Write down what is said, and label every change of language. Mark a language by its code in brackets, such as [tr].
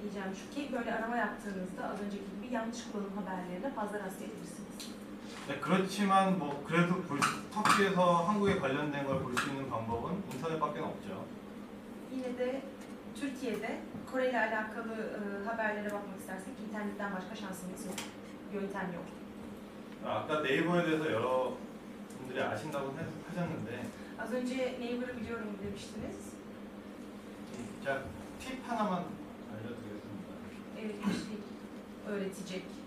[ko] 이제는 특히 [tr] böyle arama yaptığınızda az önceki gibi yanlış kullanım haberlerine fazla rastlayabilirsiniz. [ko] 네, 그렇지만 뭐 그래도 터키에서 한국에 관련된 걸 볼 수 있는 방법은 인터넷밖에 없죠. [tr] 이내에 Türkiye'de Kore ile alakalı haberlere bakmak istersek internetten başka şansımız yok. Yöntem yok. [ko] 아까 네이버에 대해서 여러 분들이 아신다고 하셨는데 [tr] az önce Neighbor'u biliyorum demiştiniz. [ko] 자, 팁 하나만 알려드리겠습니다. 네, 혹시 [tr] öğretecek.